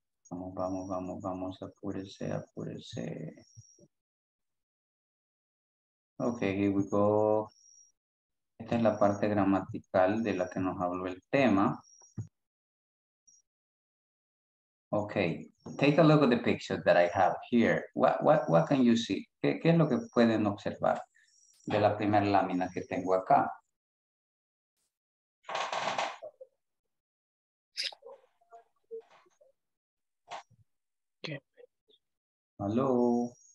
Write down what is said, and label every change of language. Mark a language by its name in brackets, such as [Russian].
[Spanish] Vamos, apúrese. [English] Ok, here we go. [Spanish] Esta es la parte gramatical de la que nos habló el tema. [English] Okay, take a look at the picture that I have here. What can you see? [Spanish] ¿Qué es lo que pueden observar de la primera lámina que tengo acá? Okay. [English] Hello.